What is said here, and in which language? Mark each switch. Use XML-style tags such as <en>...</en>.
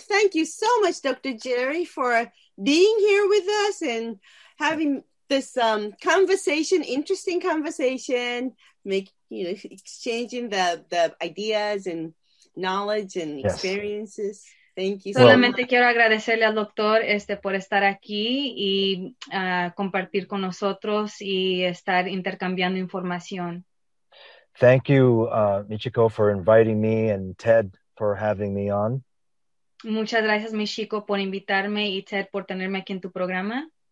<en>Thank you so much, Dr. Jerry, for being here with us and having this interesting conversation, exchanging the ideas and knowledge and experiences. Yes. Thank you.</en> <es>Solamente quiero agradecerle al doctor por estar aquí y compartir con nosotros y estar intercambiando información.</es> <en>Thank you, Michiko, for inviting me and Ted for having me on.</en> <es>Muchas gracias, Michiko, por invitarme y Ted por tenerme aquí en tu programa.</es>